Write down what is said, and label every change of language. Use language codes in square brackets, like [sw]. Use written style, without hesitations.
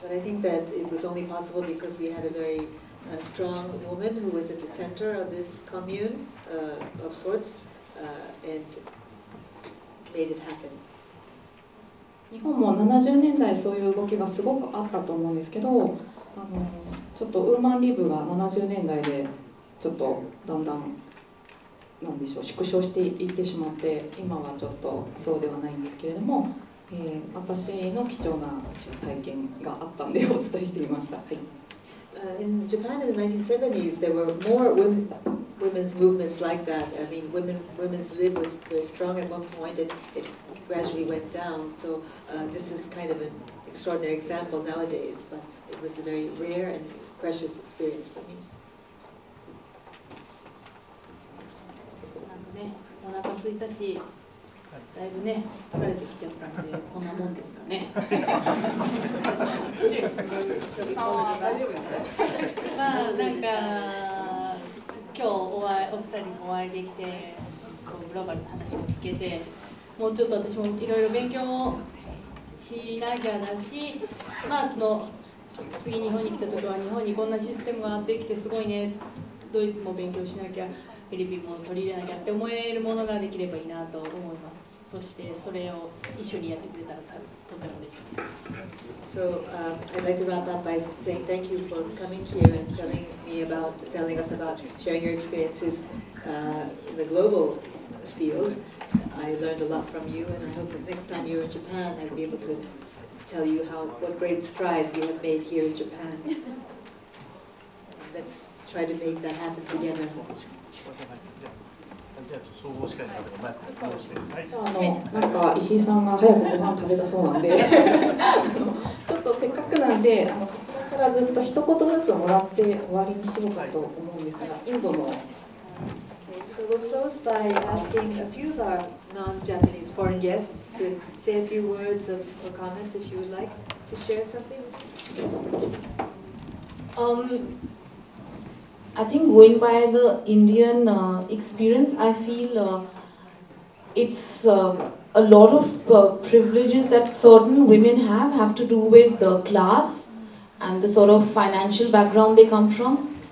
[en] But I think that it was only possible because we had a very strong woman who was at the center of this commune of sorts and made it happen. [ja] 日本も70年代そういう動きがすごくあったと思うんですけど、ちょっとウーマンリブが70年代でちょっとだんだん何でしょう縮小していってしまって、今はちょっとそうではないんですけれども、私の貴重な体験があったんでお伝えしてみました。はい。 [en] In Japan in the 1970s, there were more women's movements like that. I mean, women's lib was very strong at one point, and it gradually went down. So this is kind of an extraordinary example nowadays, but it was a very rare and precious experience for me. [ja] お腹空いたし、だいぶね疲れてきちゃったんで、こんなもんですかね。主さんは大丈夫ですか。まあなんか今日お二人にお会いできて、こうグローバルな話を聞けて、もうちょっと私もいろいろ勉強をしなきゃだし、まあその次日本に来た時は日本にこんなシステムができてすごいね、ドイツも勉強しなきゃ、フィリピンも取り入れなきゃって思えるものができればいいなと思います。そしてそれを一緒にやってくれたらとても嬉しいです。 [en] So I'd like to wrap up by saying thank you for coming here and telling us about sharing your experiences in the global field. I learned a lot from you, and I hope that next time you're in Japan I'll be able to tell you what great strides you have made here in Japan. Let's try to make that happen together. [ja] なんか石井さんが早くご飯食べたそうなんで、ちょっとせっかくなんで、こちらからずっと一言ずつもらって終わりにしようかと思うんですが、インドの。 [en] So we'll close by asking a few of our non-Japanese foreign guests to say a few words of or comments if you would like to share something. I think going by the Indian experience, I feel it's a lot of privileges that certain women have to do with the class and the sort of financial background they come from.